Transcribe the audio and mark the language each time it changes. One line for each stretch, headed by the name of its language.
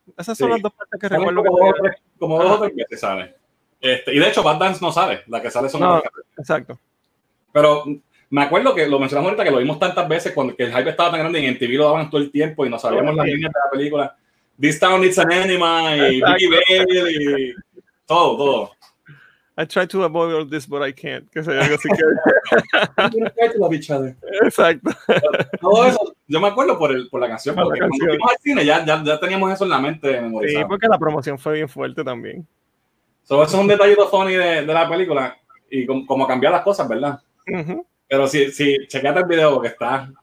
Spanish: Esas son las dos partes que recuerdo. Dos o tres veces, ¿sabes? Y de hecho, Bad Dance no sale. La que sale son las canciones. Exacto. Pero me acuerdo que lo mencionamos ahorita, que lo vimos tantas veces cuando que el hype estaba tan grande y en TV lo daban todo el tiempo y no sabíamos las líneas de la película.
English: This Town Needs an Anima y Vicky Bale y todo. I try to avoid all this, but I can't.
Spanish: Que sea algo así que... Exacto. Todo eso, yo me acuerdo por la canción. Cuando fuimos al cine, ya teníamos eso en la mente. Sí, porque la promoción fue bien fuerte también. So, eso es un detallito funny de la película. Y como cambiar las cosas, ¿verdad? Uh-huh. Pero sí, chequeate el video porque está...